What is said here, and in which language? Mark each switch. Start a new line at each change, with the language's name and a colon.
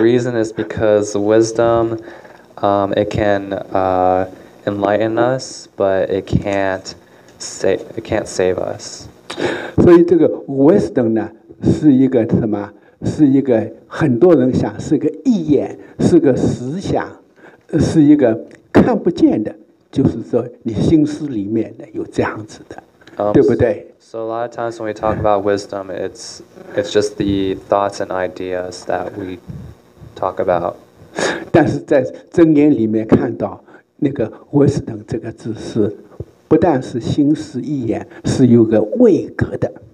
English: reason is because wisdom, it can, enlighten us, but it can't save us.
Chinese: 所以这个 wisdom 呢，是一个什么？是一个很多人想是个意念，是个思想，是一个看不见的，就是说你心思里面的有这样子的，对不对？
English: So a lot of times when we talk about wisdom, it's just the thoughts and ideas that we talk about.
Chinese: 但是在箴言里面看到。那个 wisdom 这个字是不但是心思意念，是有个位格的。